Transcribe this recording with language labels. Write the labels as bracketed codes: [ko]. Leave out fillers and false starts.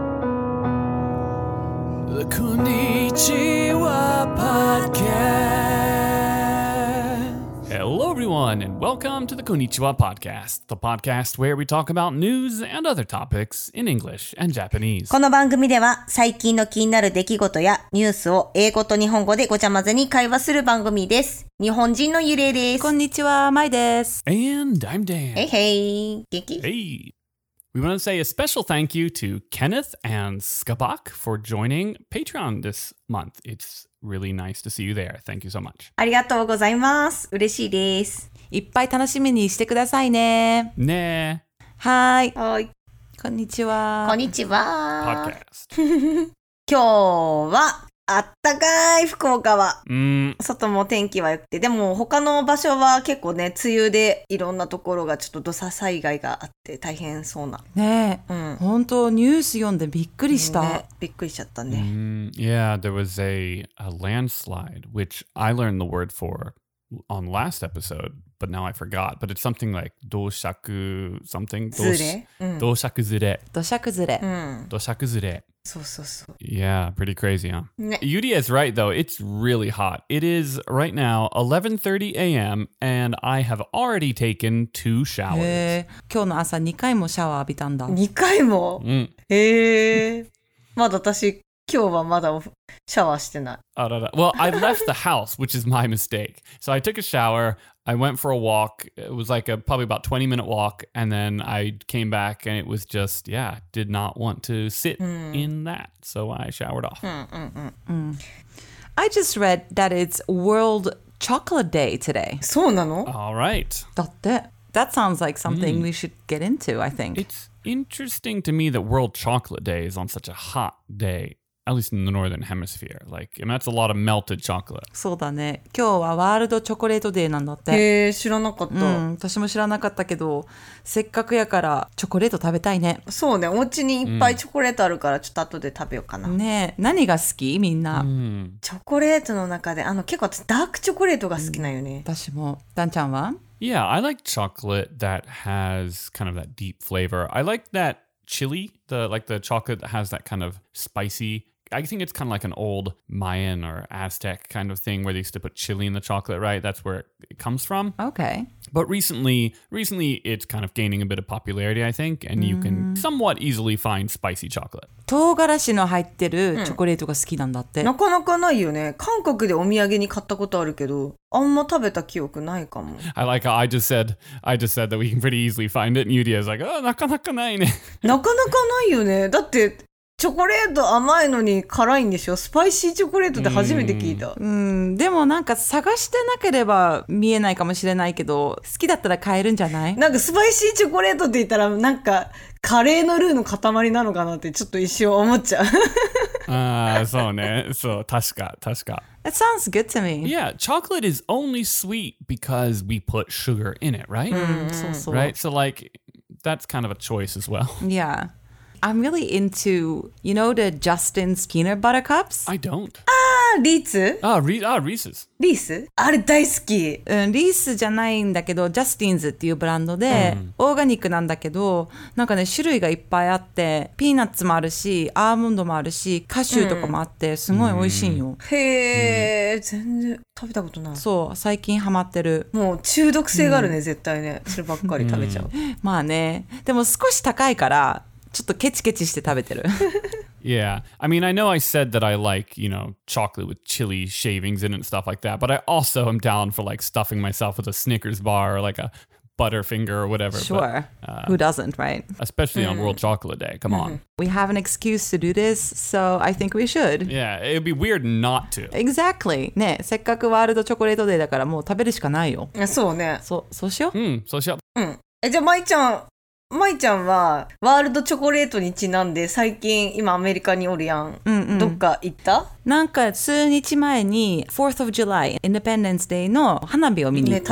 [ja] こんにちは、パッケース。 [en] Hello everyone and welcome to the こんにちは podcast, the podcast where we talk about news and other topics in English and Japanese. [ja] この番組では最近の気になる出来事やニュースを英語と日本語でごちゃ混ぜに会話する番組です。日本人のゆれいです。こんにちは、まいです。 [en] And I'm Dan. Hey hey, [ja] 元気？ [en] Hey. We want to say a special thank you to Kenneth and Skabak for joining Patreon this month. It's really nice to see you there. Thank you so much. [ja] ありがとうございます。嬉しいです。いっぱい楽しみにしてくださいね。ねえ。はい。はい。こんにちは。こんにちは。 [en] Podcast. [ja] 今日はあったかい福岡は。うん。外も天気は良くて。でも他の場所は結構ね、梅雨でいろんなところがちょっと土砂災害があって大変そうな。ねえ。うん。本当ニュース読んでびっくりした。ね、びっくりしちゃったね。 Mm-hmm. [en] Yeah, there was a landslide, which I learned the word for on last episode, but now I forgot. But it's something like 土砂something? [ja] ずれ。土砂ずれ。土砂ずれ。うん。土砂ずれ。そうそうそう。 [en] Yeah, pretty crazy, huh? [ja] ね。 [en] Yuri is right, though. It's really hot. It is right now 11:30 a.m. and I have already taken two showers. へえ。 [ja] 今日の朝2回もシャワー浴びたんだ。 2回も？うん。へえ。まだ私今日はまだシャワーしてない。あらら。 [en] Well, I left the house, which is my mistake. So I took a shower. I went for a walk. It was like a probably about 20-minute walk, and then I came back, and it was just yeah, did not want to sit in that. So I showered off. I just read that it's World Chocolate Day today. [ja] そうなの? [en] All right. [ja] だって。 [en] That sounds like something we should get into. I think it's interesting to me that World Chocolate Day is on such a hot day. At least in the northern hemisphere. Like, and that's a lot of melted chocolate. [ja] そうだね。今日はワールドチョコレートデーなんだって。へえ、知らなかった。うん、私も知らなかったけど、せっかくやからチョコレート食べたいね。そうね。お家にいっぱいチョコレートあるから、ちょっと後で食べようかな。ねえ、何が好き？みんな。チョコレートの中で、結構ダークチョコレートが好きなよね。私も。ダンちゃんは？ [en] Yeah, I like chocolate that has kind of that deep flavor. I like that chili, the chocolate that has that kind of spicy. I think it's kind of like an old Mayan or Aztec kind of thing where they used to put chili in the chocolate, right? That's where it comes from. Okay. But recently it's kind of gaining a bit of popularity, I think, and you can somewhat easily find spicy chocolate. [ja] 唐辛子の入ってるチョコレートが好きなんだって。なかなかないよね。韓国でお土産に買ったことあるけど、あんま食べた記憶ないかも。 [en] I like how I just said that we can pretty easily find it, and Yuri is like, [ja] なかなかないね。なかなかないよね。だって、チョコレート甘いのに辛いんでしょ？スパイシーチョコレートって初めて聞いた。でもなんか探してなければ見えないかもしれないけど、好きだったら買えるんじゃない？なんかスパイシーチョコレートって言ったらなんかカレーのルーの塊なのかなってちょっと一瞬思っちゃう。ああ、そうね。そう、確か。 [en] It sounds good to me. Yeah, chocolate is only sweet because we put sugar in it, right? [ja] そうそう。 [en] Right? So like, that's kind of a choice as well. Yeah. I'm really into, you know, the Justin Skinner buttercups? I don't. Ah, Reese. Reese's. [ja] Reese? あれ大好き。 Reese じゃないんだけど、Justin's っていうブランドで、オーガニックなんだけど、なんかね、種類がいっぱいあって、ピーナッツもあるし、アーモンドもあるし、カシューとかもあって、すごい美味しいよ。へぇー、全然食べたことない。そう、最近ハマってる。もう中毒性があるね、絶対ね。そればっかり食べちゃう。まあね、でも少し高いから、ちょっとケチケチして食べてる。 [en] Yeah, I mean, I know I said that I like, you know, chocolate with chili shavings in it and stuff like that, but I also am down for like stuffing myself with a Snickers bar or like a Butterfinger or whatever. Sure, but, who doesn't, right? Especially on World Chocolate Day, come on. We have an excuse to do this, so I think we should. Yeah, it'd be weird not to. Exactly. [ja] ね、せっかくワールドチョコレートデーだからもう食べるしかないよ。そうね。そうしよう。うん、そうしよう。うん。え、じゃあまいちゃん。まいちゃんはワールドチョコレートにちなんで最近今アメリカにおるやん。どっか行った？なんか数日前に 4th of July Independence Day の花火を見に行った。